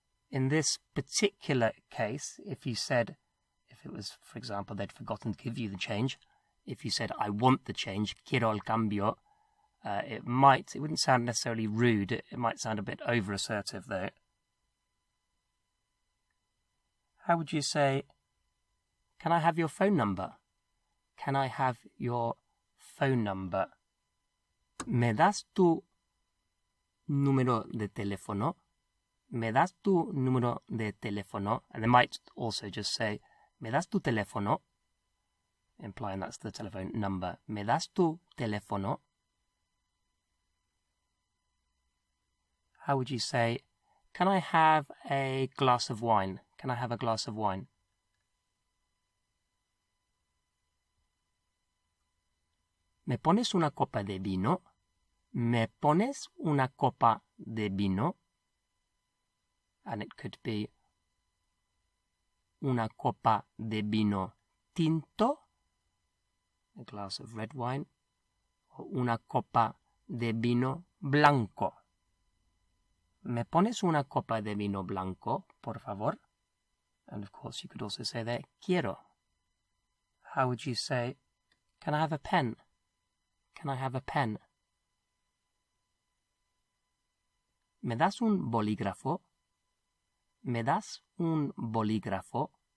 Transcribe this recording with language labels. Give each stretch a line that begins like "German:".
English: In this particular case, if you said, if it was, for example, they'd forgotten to give you the change, if you said, I want the change,
Spanish: quiero el cambio,
English: it wouldn't sound necessarily rude. It might sound a bit over-assertive, though. How would you say, can I have your phone number? Can I have your phone number?
Spanish: ¿Me das tu número de teléfono? ¿Me das tu número de teléfono?
English: And they might also just say,
Spanish: ¿me das tu teléfono?
English: Implying that's the telephone number.
Spanish: ¿Me das tu teléfono?
English: How would you say, can I have a glass of wine? Can I have a glass of wine?
Spanish: ¿Me pones una copa de vino? ¿Me pones una copa de vino?
English: And it could be
Spanish: una copa de vino tinto,
English: a glass of red wine,
Spanish: una copa de vino blanco? ¿Me pones una copa de vino blanco, por favor?
English: And of course, you could also say that, quiero. How would you say, can I have a pen? Can I have a pen?
Spanish: ¿Me das un bolígrafo? ¿Me das un bolígrafo?